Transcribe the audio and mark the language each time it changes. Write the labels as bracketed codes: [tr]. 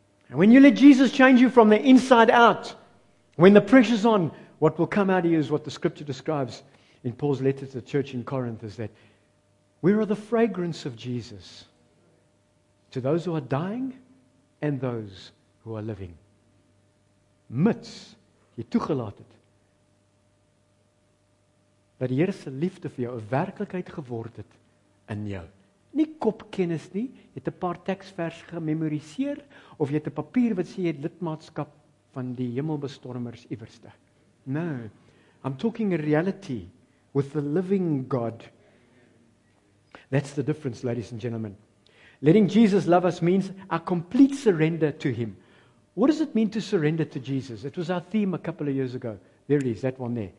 [en] And when you let Jesus change you from the inside out, when the pressure's on, what will come out of you is what the Scripture describes in Paul's letter to the church in Corinth, is that we are the fragrance of Jesus to those who are dying and those who are living. [af] Mits jy toegelaat het dat die Here se liefde vir jou 'n werklikheid geword het in jou. Nie kopkennis nie, jy het 'n paar teksverse gememoriseer of jy het 'n papier wat sê jy het lidmaatskap van die hemelbestormers iewerste. [en] No, I'm talking a reality with the living God. That's the difference, ladies and gentlemen. Letting Jesus love us means a complete surrender to Him. What does it mean to surrender to Jesus? It was our theme a couple of years ago. There it is, that one there.